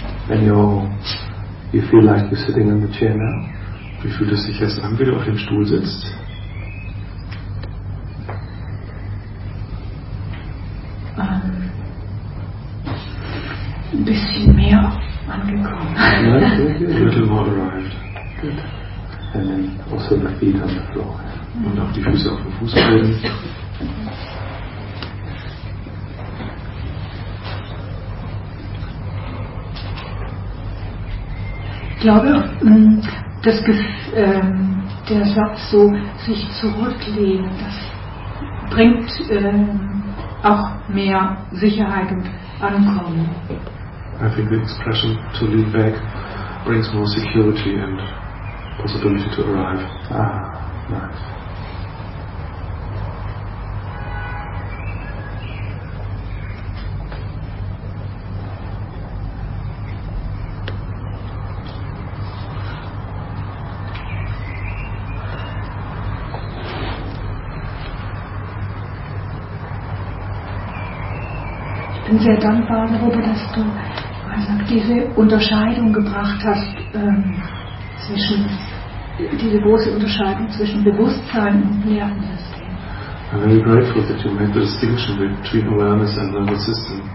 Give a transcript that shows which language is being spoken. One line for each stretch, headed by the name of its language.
English: And you feel like you're sitting in the chair now?
German: Wie fühlt es sich jetzt an, wie du auf dem Stuhl sitzt? Ein bisschen mehr angekommen.
English: Nice, okay. A little more arrived. Good. And then also the feet on the floor. Mm-hmm.
German: Und auch die Füße auf dem Fußboden. Ich glaube, der Satz so, sich zurücklehnen, das bringt auch mehr Sicherheit und Ankommen.
English: I think the expression to lean back brings more security and possibility to arrive. Ah, nice.
German: Ich bin sehr dankbar darüber, dass du diese Unterscheidung gebracht hast, diese große Unterscheidung zwischen Bewusstsein und Nervensystem.
English: I'm very grateful that you made the distinction between awareness and the nervous system.